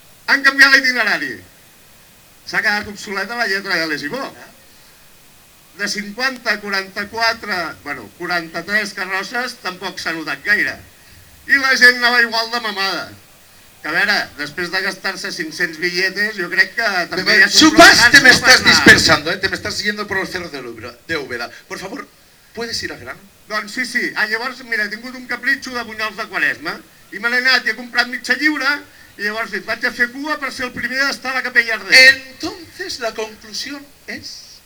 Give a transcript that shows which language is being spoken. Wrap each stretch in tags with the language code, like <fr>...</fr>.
<ca>Han canviat l'itinerari. S'ha quedat obsoleta la lletra de l'Esibó. De 50 a 44, bueno, 43 carrosses, tampoc s'ha notat gaire. I la gent anava igual de mamada. Que a veure, després de gastar-se 500 billetes, jo crec que també...</ca> <es>Supas, te me estás dispersando, te me estás siguiendo por los cerros de Úbeda. Por favor, ¿puedes ir al gran?</es> <ca>Doncs sí, sí. Llavors, mira, he tingut un capritxo de bunyols de Quaresma i me l'he anat i he comprat mitja lliure. Y llavors dit, vaig a fer cua per ser el primer d'estar a la capella Ardent. Entonces la conclusió és...</ca>